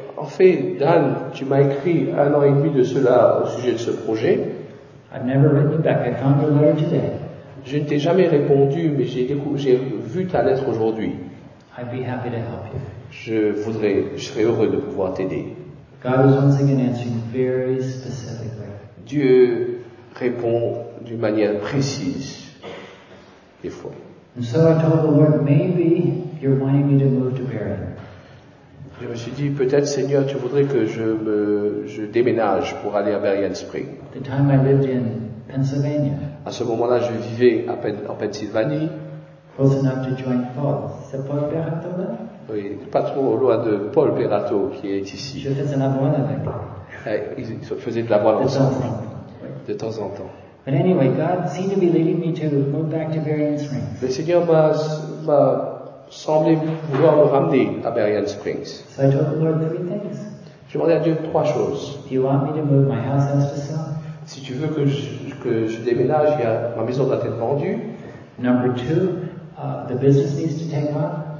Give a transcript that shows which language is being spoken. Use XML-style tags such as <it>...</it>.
<fr>En fait, Dan, tu m'as écrit un an et demi de cela au sujet de ce projet.</fr> <en>I've never written you back. I found your letter today.</en> <fr>Je ne t'ai jamais répondu, mais j'ai vu ta lettre aujourd'hui.</fr> <en>I'd be happy to help you.</en> <fr>Je serais heureux de pouvoir t'aider.</fr> <en>God was once again answering very specifically.</en> <fr>Dieu répond d'une manière précise, des fois.</fr> <en>And so I told the Lord, maybe you're wanting me to move to Berrien.</en> <fr>Je me suis dit, peut-être, Seigneur, tu voudrais que je déménage pour aller à Berrien Springs.</fr> <en>The time I lived in Pennsylvania.</en> <fr>À ce moment-là, je vivais en Pennsylvanie.</fr> <en>Close enough to join Paul.</en> <fr>C'est Paul Perato là? Oui, pas trop loin de Paul Perato qui est ici. Je faisais de la voile avec. Ils faisaient de la voile ensemble. Temps. De temps en temps.</fr> <en>But anyway, God seemed to be leading me to move back to Berrien Springs.</en> <fr>Le Seigneur m'a semblé vouloir me ramener à Berrien Springs.</fr> <en>So I told the Lord three things.</en> <fr>Je demandais à Dieu trois choses.</fr> <en>Do you want me to move my house as to sell?</en> <fr>Si tu veux que je déménage, ma maison doit être vendue.</fr> <en>Number two, the business needs to take off.</en>